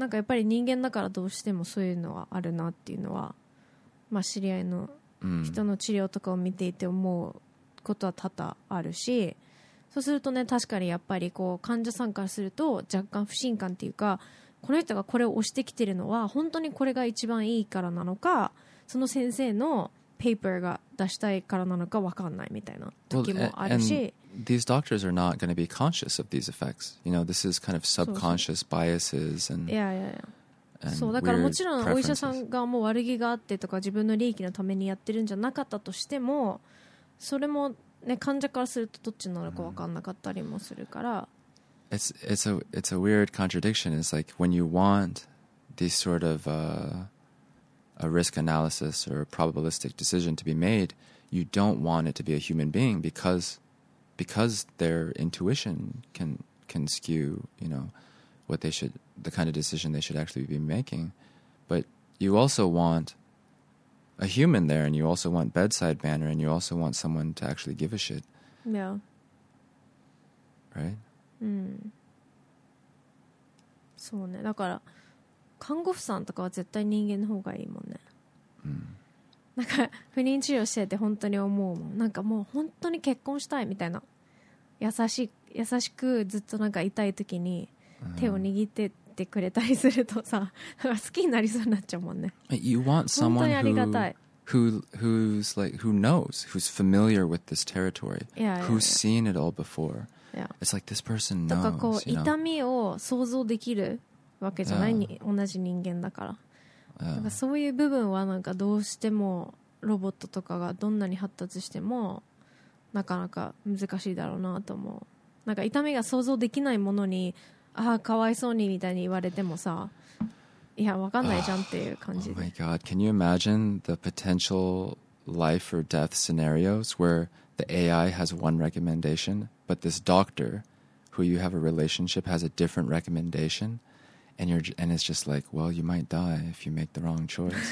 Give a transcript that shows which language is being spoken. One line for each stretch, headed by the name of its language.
Japanese: なんかやっぱり人間だからどうしてもそういうのはあるなっていうのは、まあ、知り合いの人の治療とかを見ていて思うことは多々あるし、そうするとね確かにやっぱりこう患者さんからすると若干不信感っていうか、この人がこれを押してきてるのは本当にこれが一番いいからなのか、その先生のペーパーが出したいからなのか分かんないみたいな時もあるし、
English: well, and these doctors are not going to be conscious of these effects, you know, this is kind of subconscious biases and yeah, yeah, yeah.
Japanese: そうだからもちろんお医者さんがもう悪気があってとか自分の利益のためにやってるんじゃなかったとしても、それもね患者からするとどっちなのか分かんなかったりもするから、
English: mm-hmm. It's a weird contradiction. It's like when you want this sort of a risk analysis or a probabilistic decision to be made, you don't want it to be a human being because their intuition can skew, you know, what they shouldthe kind of decision they should actually be making. But you also want a human there, and you also want bedside manner, and you also want someone to actually give a shit. Yeah. Right? Mm.
Japanese: そうね。だから、看護婦さんとかは絶対人間の方がいいもんね。なんか、不妊治療してて本当に思うもん。なんかもう本当に結婚したいみたいな。優しくずっとなんか痛い時に手を握って、mm. くれたりするとさ、好きになりそうになっちゃうもんね。
English: You want someone who's like who knows, who's familiar with this territory, yeah, yeah, yeah. who's seen it all before. Yeah. It's like this person knows.
Japanese: とかこう、
English: you know?
Japanese: 痛みを想像できるわけじゃない、yeah. 同じ人間だから。
English: Yeah.
Japanese: だからそういう部分はなんかどうしてもロボットとかがどんなに発達してもなかなか難しいだろうなと思う。なんか痛みが想像できないものに。ああかわいそうにみたいに言われてもさ、いやわかんないじゃんっていう感じで。
English: Oh my god, can you imagine the potential life or death scenarios where the AI has one recommendation, but this doctor who you have a relationship has a different recommendation, and it's just like, well, you might die if you make the wrong choice.